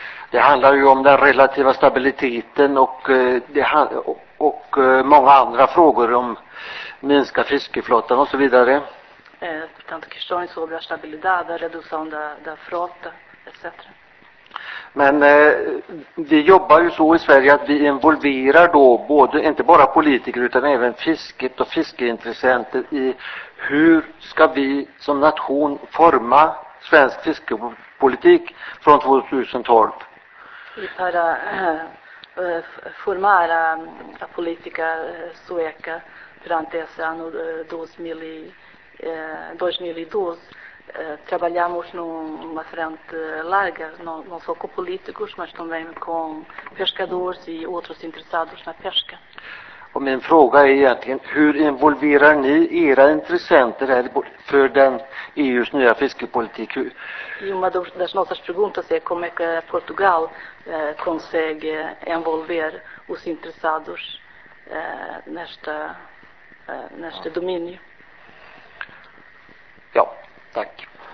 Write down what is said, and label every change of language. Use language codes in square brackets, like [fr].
[sv] Det handlar ju om den relativa stabiliteten och många andra frågor om minska fiskeflottan och så vidare. [pt] Tanto questão sobre a estabilidade, a redução da frota, etc. [sv] Men vi jobbar ju så i Sverige att vi involverar då både, inte bara politiker utan även fisket och fiskeintressenter i hur ska vi som nation forma svensk fiskepolitik från 2012. [pt] E para formar a política sueca durante esse ano 2012. Trabalhamos numa frente larga, não só com políticos, mas também com pescadores e outros interessados na pesca. [sv] Och min fråga är egentligen, hur involverar ni era intressenter för den EU:s nya fiskepolitik? [pt] E uma das nossas perguntas é como é que Portugal consegue envolver os interessados neste domínio. [sv] Ja, tack.